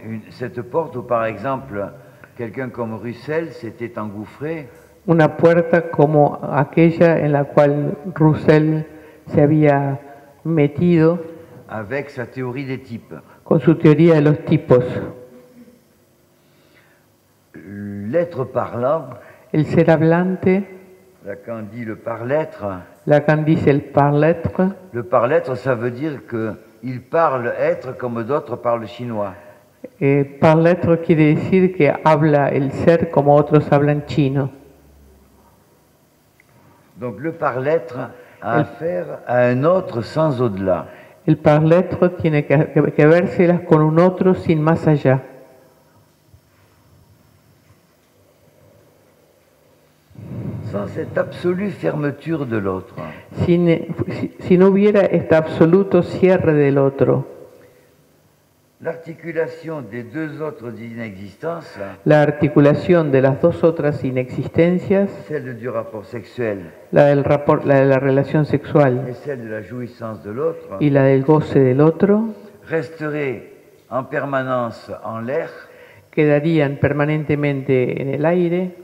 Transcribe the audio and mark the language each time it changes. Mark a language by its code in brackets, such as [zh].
[fr] Cette porte où, par exemple, quelqu'un comme Russell s'était engouffré. [es] Una puerta como aquella en la cual Russell se había metido [fr] avec sa théorie des types. [es] Con su teoría de los tipos. [fr] L'être parlant, [es] el ser hablante, [fr] Lacan dit le par-l'être, [es] Lacan dice el par-l'être, [fr] le par-l'être ça veut dire que il parle être comme d'autres parlent chinois. [es] Par-l'être quiere decir que habla el ser como otros hablan chino. [fr] Donc le par-l'être a affaire à un autre sans au-delà. [es] El par-l'être tiene que vérselas con un otro sin más allá. [fr] Sans cette absolue fermeture de l'autre. [es] Si no hubiera este absoluto cierre del otro. [fr] L'articulation des deux autres inexistences. [es] La articulación de las dos otras inexistencias. [fr] Celle du rapport sexuel. [es] La relación sexual. [fr] Et celle de la jouissance de l'autre. [es] Y la del goce del otro. [fr] Resterait en permanence en l'air. [es] Quedarían permanentemente en el aire.